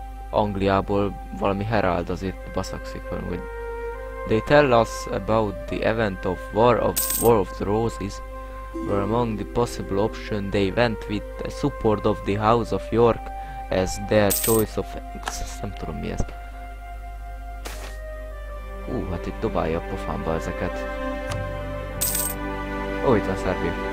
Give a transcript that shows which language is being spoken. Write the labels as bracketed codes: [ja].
[hu] Angliából valami herald az itt baszakszik valami, hogy... [en] They tell us about the event of War of the Roses, where among the possible options they went with the support of the House of York as their choice of... [hu] nem tudom mi ez. Hát itt dobálja a pofámba ezeket. Itt van Szerbia.